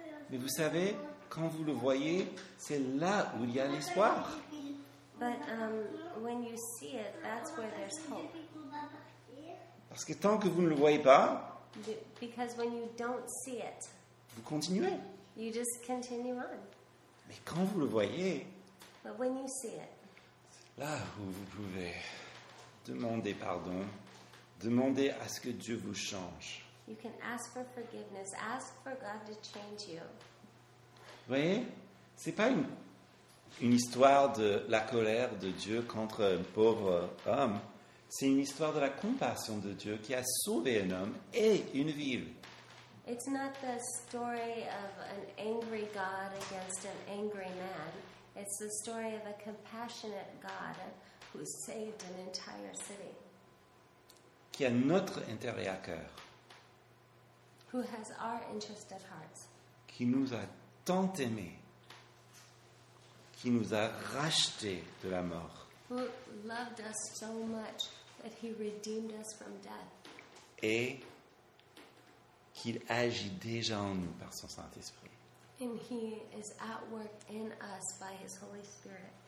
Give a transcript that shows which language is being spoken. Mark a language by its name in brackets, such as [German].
[French] Mais vous savez, quand vous le voyez, c'est là où il y a l'espoir. [English] But when you see it, that's where there's hope. [French] Parce que tant que vous ne le voyez pas, [English] because when you don't see it, [French] vous continuez. [English] You just continue on. [French] Mais quand vous le voyez, [English] but when you see it, [French] c'est là où vous pouvez demander pardon. Demandez à ce que Dieu vous change. [English] You can ask for forgiveness. Ask for God to change you. [French] Vous voyez, c'est pas une histoire de la colère de Dieu contre un pauvre homme. C'est une histoire de la compassion de Dieu qui a sauvé un homme et une ville. [English] It's not the story of an angry God against an angry man. It's the story of a compassionate God who saved an entire city. [French] Qui a notre intérêt à cœur. [English] Who has our interest at heart. [French] Qui nous a tant aimés. Qui nous a rachetés de la mort. [English] Who loved us so much that he redeemed us from death. [French] Et qu'il agit déjà en nous par son Saint-Esprit. [English] And he is at work in us by his Holy Spirit.